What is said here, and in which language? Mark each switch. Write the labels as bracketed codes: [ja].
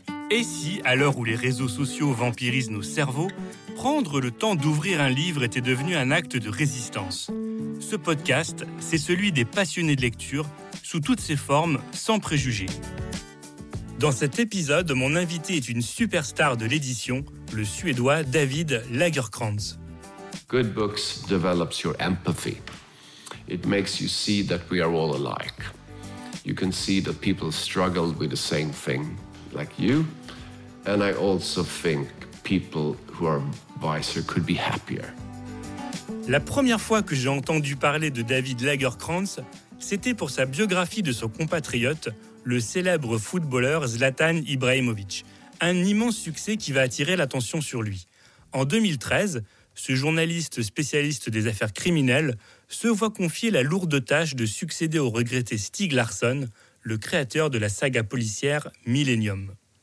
[fr] Et si, à l'heure où les réseaux sociaux vampirisent nos cerveaux, prendre le temps d'ouvrir un livre était devenu un acte de résistance? Ce podcast, c'est celui des passionnés de lecture, sous toutes ses formes, sans préjugés. Dans cet épisode, mon invité est une superstar de l'édition, le Suédois David Lagercrantz. [en] Good books develops your empathy. It makes you see that we are all alike. You can see that people struggle with the same thing, like you. And I also think people who are wiser could be happier. [fr] La première fois que j'ai entendu parler de David Lagercrantz, c'était pour sa biographie de son compatriote, le célèbre footballeur Zlatan Ibrahimovic. Un immense succès qui va attirer l'attention sur lui. En 2013, ce journaliste spécialiste des affaires criminelles se voit confier la lourde tâche de succéder au regretté Stieg Larsson, le créateur de la saga policière Millennium.